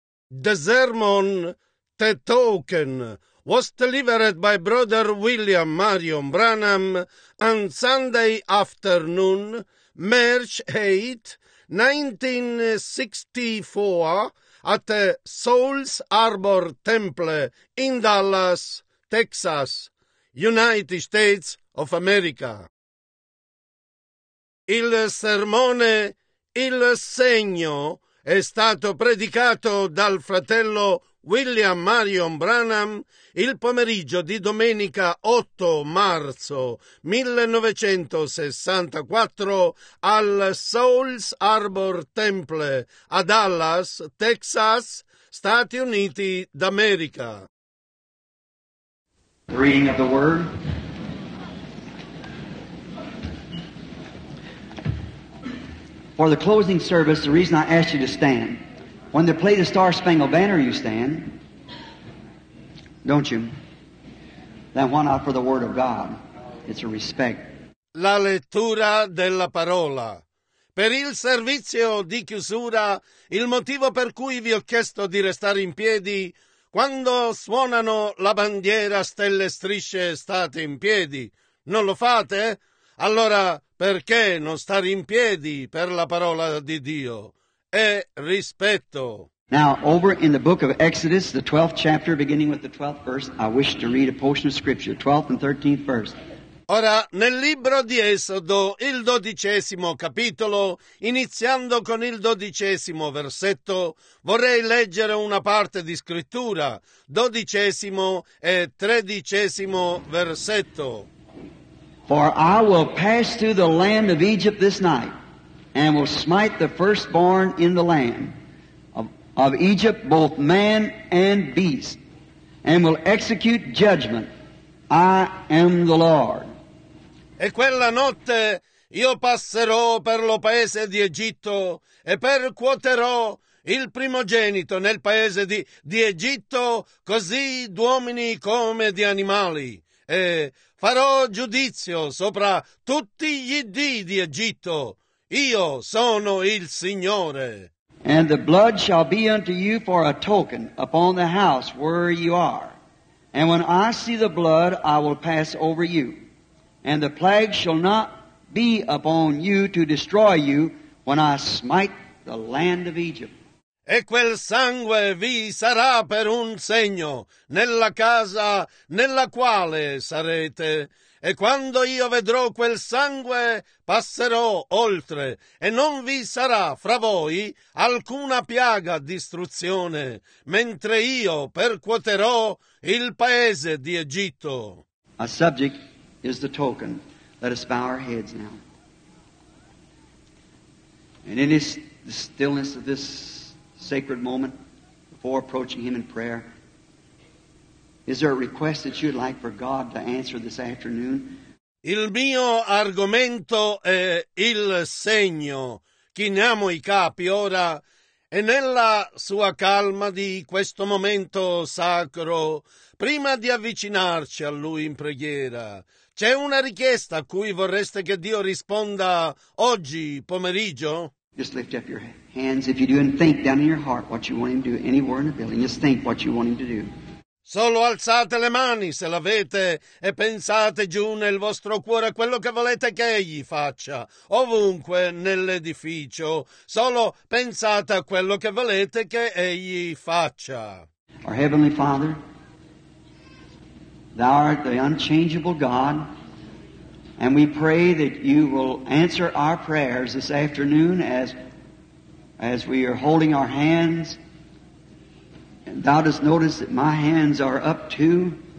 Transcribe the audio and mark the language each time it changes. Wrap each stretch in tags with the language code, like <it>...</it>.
<en>Desermon te token was delivered by Brother William Marion Branham on Sunday afternoon, March 8, 1964, at the Souls Arbor Temple in Dallas, Texas, United States of America.</en> <it>Il sermone Il Segno è stato predicato dal fratello William Marion Branham il pomeriggio di domenica 8 marzo 1964 al Souls Arbor Temple a Dallas, Texas, Stati Uniti d'America.</it> <en>Reading of the Word. For the closing service, the reason I asked you to stand, when they play the Star Spangled Banner, you stand, don't you? Then why not for the Word of God? It's a respect.</en> <it>La lettura della parola. Per il servizio di chiusura, il motivo per cui vi ho chiesto di restare in piedi, quando suonano la bandiera stelle strisce, state in piedi. Non lo fate? Allora, perché non stare in piedi per la parola di Dio? È rispetto.</it> <en>Now, over in the book of Exodus, the 12th chapter, beginning with the 12th verse, I wish to read a portion of scripture, 12th and 13th verse.</en> <it>Ora, nel libro di Esodo, il 12° capitolo, iniziando con il 12° versetto, vorrei leggere una parte di scrittura, 12° e 13° versetto.</it> <en>For I will pass through the land of Egypt this night, and will smite the firstborn in the land of Egypt, both man and beast, and will execute judgment. I am the Lord.</en> <it>E quella notte io passerò per lo paese di Egitto e percuoterò il primogenito nel paese di Egitto, così d'uomini come di animali. E farò giudizio sopra tutti gli dì di Egitto. Io sono il Signore.</it> <en>And the blood shall be unto you for a token upon the house where you are. And when I see the blood, I will pass over you. And the plague shall not be upon you to destroy you when I smite the land of Egypt.</en> <it>E quel sangue vi sarà per un segno nella casa nella quale sarete. E quando io vedrò quel sangue, passerò oltre, e non vi sarà fra voi alcuna piaga distruzione, mentre io percuoterò il paese di Egitto.</it> <en>Our subject is the token. Let us bow our heads now. And in this stillness of this sacred moment before approaching him in prayer, is there a request that you'd like for God to answer this afternoon?</en> <it>Il mio argomento è il segno. Chiniamo i capi ora e nella sua calma di questo momento sacro, prima di avvicinarci a lui in preghiera, c'è una richiesta a cui vorreste che Dio risponda oggi pomeriggio?</it> <en>Just lift up your hands if you do and think down in your heart what you want him to do. Anywhere in the building, just think what you want him to do.</en> <it>Solo alzate le mani se l'avete e pensate giù nel vostro cuore quello che volete che egli faccia, ovunque nell'edificio. Solo pensate a quello che volete che egli faccia.</it> <en>Our Heavenly Father, Thou art the unchangeable God, and we pray that You will answer our prayers this afternoon as we are holding our hands. Thou dost notice that my hands are up too.</en>